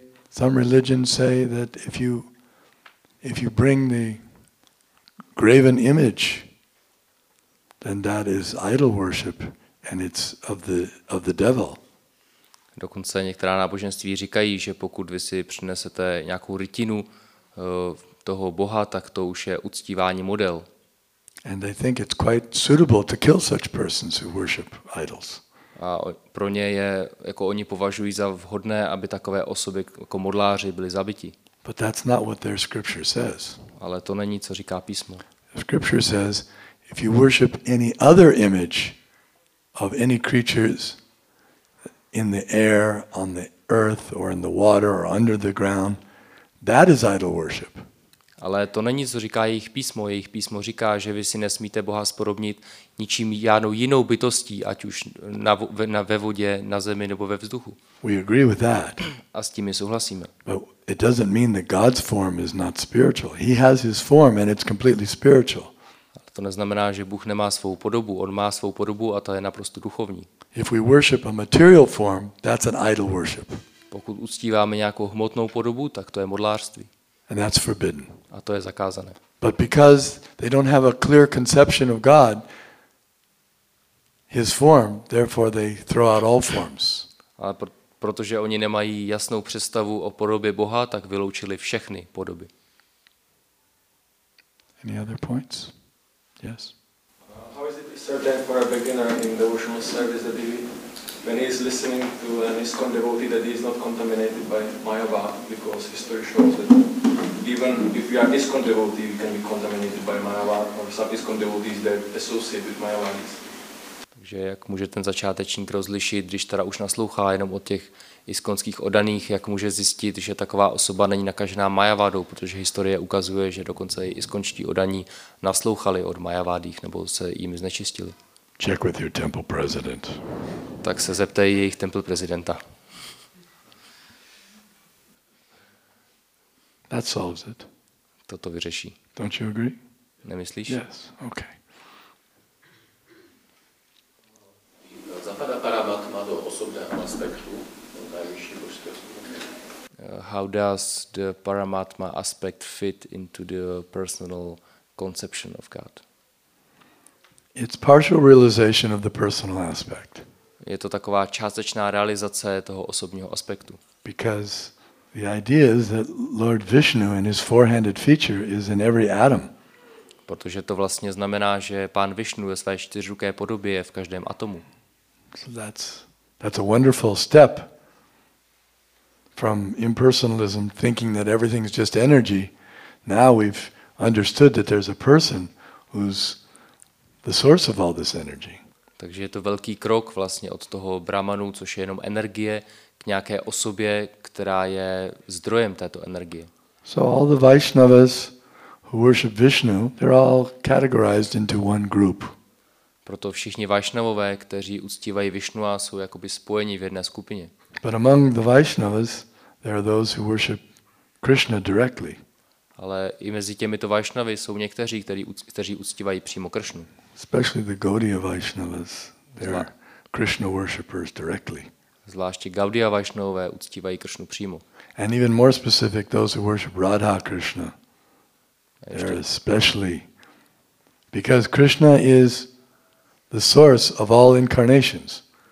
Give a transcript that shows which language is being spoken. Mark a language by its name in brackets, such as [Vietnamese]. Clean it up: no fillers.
[English] Some religions say that if you bring the graven image, then that is idol worship and it's of the devil. [Czech] Dokonce některá náboženství říkají, že pokud vy si přinesete nějakou rytinu toho Boha, tak to už je uctívání model. [English] And they think it's quite suitable to kill such persons who worship idols. [Czech] A pro ně je, jako oni považují za vhodné, aby takové osoby jako modláři byli zabiti. [English] But that's not what their scripture says. [Czech] Ale to není, co říká písmo. [English] Scripture says, if you worship any other image of any creatures in the air, on the earth, or in the water, or under the ground, that is idol worship. [Czech] Ale to není, co říká jejich písmo. Jejich písmo říká, že vy si nesmíte Boha zpodobnit ničím žádnou jinou bytostí, ať už ve vodě, na zemi nebo ve vzduchu. [English] We agree with that. [Czech] A s tím my souhlasíme. [English] But it doesn't mean that God's form is not spiritual. He has his form and it's completely spiritual. [Czech] Ale to neznamená, že Bůh nemá svou podobu. On má svou podobu a ta je naprosto duchovní. [English] If we worship a material form, that's an idol worship. [Czech] Pokud uctíváme nějakou hmotnou podobu, tak to je modlářství. [English] And that's forbidden. [Czech] A to je zakázané. [English] But because they don't have a clear conception of God, his form, therefore they throw out all forms. [Czech] Ale protože oni nemají jasnou představu o podobě Boha, tak vyloučili všechny podoby. [English] Any other points? Yes. How is it certain for a beginner in devotional service that when he is listening to an ISKCON devotee that he is not contaminated by Mayavad, because history shows that even if we are ISKCON devotee, we can be contaminated by Mayavad, or some ISKCON devotees that associate with Mayavadis. [Czech] Takže jak může ten začátečník rozlišit, když teda už naslouchá jenom o těch iskonských odaných, jak může zjistit, že taková osoba není nakažená Mayavadou, protože historie ukazuje, že dokonce i iskonští odaní naslouchali od Mayavadích nebo se jimi znečistili. [English] Check with your temple president. [Czech] Tak se zeptej jejich temple prezidenta. [English] That solves it. [Czech] Toto vyřeší. [English] Don't you agree? [Czech] Nemyslíš? [English] Yes, okay. [Czech] Zapadá Paramatma do osobného aspektu, do nejvyšší božské. [English] How does the Paramatma aspect fit into the personal conception of God? It's partial realization of the personal aspect. [Czech] Je to taková částečná realizace toho osobního aspektu. [English] Because the idea is that Lord Vishnu and his four-handed feature is in every atom. [Czech] Protože to vlastně znamená, že pán Vishnu ve své čtyřruké podobě je v každém atomu. [English] So that's a wonderful step from impersonalism, thinking that everything is just energy. Now we've understood that there's a person who's the source of all this energy. [Czech] Takže je to velký krok vlastně od toho brahmanu, což je jenom energie, k nějaké osobě, která je zdrojem této energie. [English] So all the Vaishnavas who worship Vishnu, they're all categorized into one group. [Czech] Proto všichni Vaishnavové, kteří uctívají Vishnua, jsou jakoby spojeni v jedné skupině. [English] But among the Vaishnavas, there are those who worship Krishna directly. [Czech] Ale i mezi těmito Vaishnavy jsou někteří, kteří uctívají přímo Krishnu. [English] Especially the Gaudiya Vaishnavas, they are Krishna worshippers directly. [Czech] Zvláště Gaudiya Vaishnavové uctívají Krishnu přímo. [English] And even more specific, those who worship Radha Krishna. They're especially because Krishna is the source of all incarnations.